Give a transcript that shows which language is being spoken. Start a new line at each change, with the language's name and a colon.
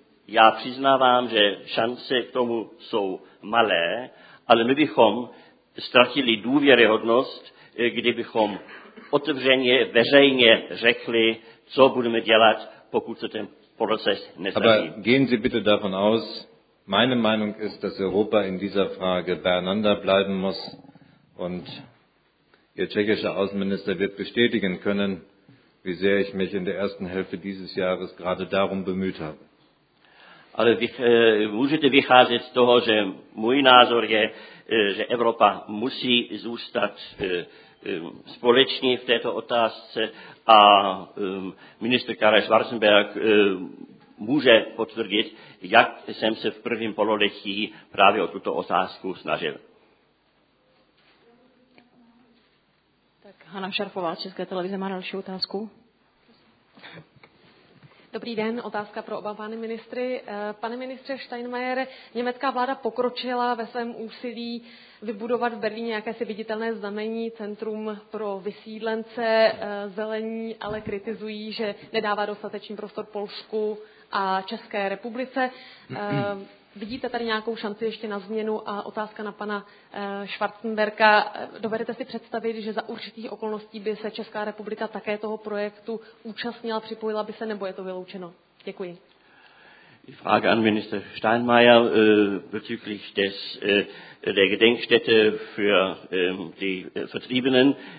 Czech: Já přiznávám, že šance k tomu jsou malé, ale my bychom ztratili důvěryhodnost, kdybychom otevřeně, veřejně řekli, co budeme dělat, pokud se ten proces nezdaří.
German: Aber gehen Sie bitte davon aus, meine Meinung ist, dass Europa in dieser Frage beieinander bleiben muss und Ihr tschechischer Außenminister wird bestätigen können, wie sehr ich mich in der ersten Hälfte dieses Jahres gerade darum bemüht habe.
Czech: Ale můžete vycházet z toho, že můj názor je, že Evropa musí zůstat společně v této otázce a ministr Karel Schwarzenberg může potvrdit, jak jsem se v prvním pololetí právě o tuto otázku snažil. Tak Hana Šarfová z České televize má další otázku. Dobrý den, otázka pro oba pány ministry. Pane ministře Steinmeiere, německá vláda pokročila ve svém úsilí vybudovat v Berlíně jakési viditelné znamení, centrum pro vysídlence, zelení, ale kritizují, že nedává dostatečný prostor Polsku a České republice. Vidíte tady nějakou šanci ještě na změnu? A otázka na pana Schwarzenberga. Dovedete si představit, že za určitých okolností by se Česká republika také toho projektu účastnila, připojila by se, nebo je to vyloučeno? Děkuji.
German: Frage an Minister Steinmeier bezüglich des der Gedenkstätte für die Vertriebenen.